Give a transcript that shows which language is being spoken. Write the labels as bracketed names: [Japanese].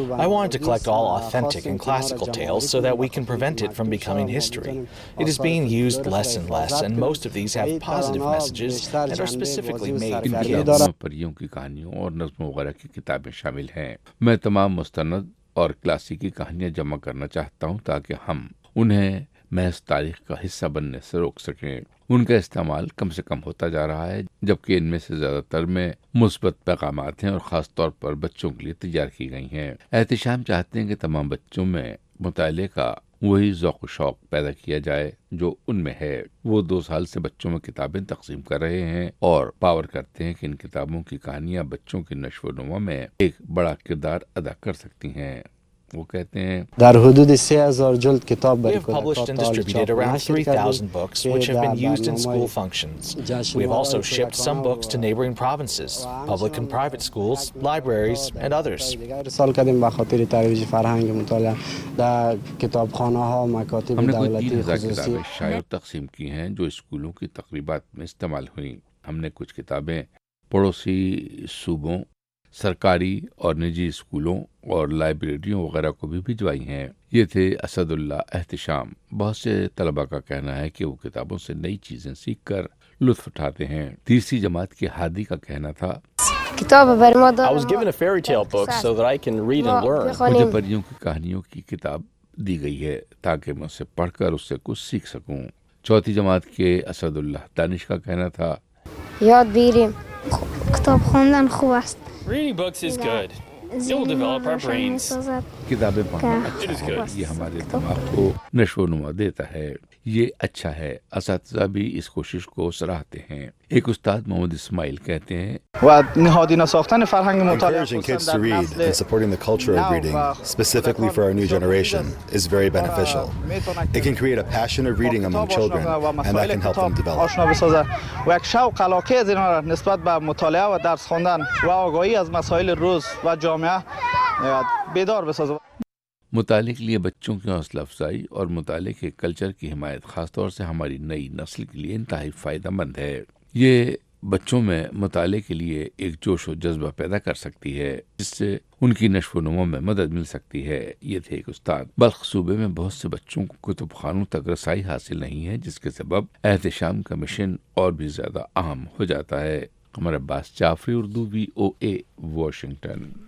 [English] I wanted to collect all authentic and classical tales so that we can prevent it from becoming history. It is being used less and less and most of these have positive messages that are specifically made for kids. [Urdu] پریوں کی کہانیوں اور نظموں وغیرہ کی کتابیں شامل ہیں۔ میں تمام مستند اور کلاسیکی کہانیاں جمع کرنا چاہتا ہوں تاکہ ہم انہیں محض تاریخ کا حصہ بننے سے روک سکیں۔ ان کا استعمال کم سے کم ہوتا جا رہا ہے، جبکہ ان میں سے زیادہ تر میں مثبت پیغامات ہیں اور خاص طور پر بچوں کے لیے تیار کی گئی ہیں۔ احتشام چاہتے ہیں کہ تمام بچوں میں مطالعے کا وہی ذوق و شوق پیدا کیا جائے جو ان میں ہے۔ وہ 2 سال سے بچوں میں کتابیں تقسیم کر رہے ہیں اور پاور کرتے ہیں کہ ان کتابوں کی کہانیاں بچوں کے نشو و نما میں ایک بڑا کردار ادا کر سکتی ہیں۔ وہ کہتے ہیں [Persian] در حدود 3,000 جلد کتاب [Urdu] برکو ہے۔ [English] We have published and distributed around 3,000 books which have been used in school functions. We have also shipped some books to neighboring provinces, public and private schools, libraries and others. [Persian] سال قدیم بخاطر ترویج فرهنگ مطالعه در کتابخانه ها و مکاتب دولتی خصوصی [Urdu] ہم نے 3,000 کتابیں شائع تقسیم کی ہیں جو اسکولوں کی تقریبات میں استعمال ہوئیں۔ ہم نے کچھ کتابیں پڑوسی صوبوں، سرکاری اور نجی اسکولوں اور لائبریریوں وغیرہ کو بھی بھجوائی ہیں۔ یہ تھے اسد اللہ احتشام۔ بہت سے طلبہ کا کہنا ہے کہ وہ کتابوں سے نئی چیزیں سیکھ کر لطف اٹھاتے ہیں۔ تیسری جماعت کے ہادی کا کہنا تھا مجھے پریوں کی کہانیوں کی کتاب دی گئی ہے تاکہ میں اسے پڑھ کر اس سے کچھ سیکھ سکوں۔ چوتھی جماعت کے اسد اللہ دانش کا کہنا تھا [English] Reading books is good. It will develop our brains. [Urdu] کتابیں پڑھنا اچھا ہے، یہ ہمارے دماغ کو نشو و نما دیتا ہے، یہ اچھا ہے۔ اساتذہ بھی اس کوشش کو سراہتے ہیں۔ ایک استاد محمد اسماعیل کہتے ہیں [Persian] نہادینا ساختن فرهنگ مطالعه [English] encouraging kids to read and supporting the culture of reading specifically for our new generation is very beneficial. It can create a passion of reading among children and that can help them develop. [Persian] آشنا بسازه و یک شوق علاقه از اینا نسبت به مطالعه و درس خواندن و آگاهی از مسائل روز و جامعه بیدار بسازه۔ [Urdu] مطالعے کے لیے بچوں کی حوصلہ افزائی اور مطالعے کے کلچر کی حمایت خاص طور سے ہماری نئی نسل کے لیے انتہائی فائدہ مند ہے۔ یہ بچوں میں مطالعے کے لیے ایک جوش و جذبہ پیدا کر سکتی ہے جس سے ان کی نشو و نما میں مدد مل سکتی ہے۔ یہ تھے ایک استاد۔ بلخ صوبے میں بہت سے بچوں کو کتب خانوں تک رسائی حاصل نہیں ہے، جس کے سبب احتشام کا مشن اور بھی زیادہ اہم ہو جاتا ہے۔ قمر عباس جعفری، اردو، وی او اے، واشنگٹن۔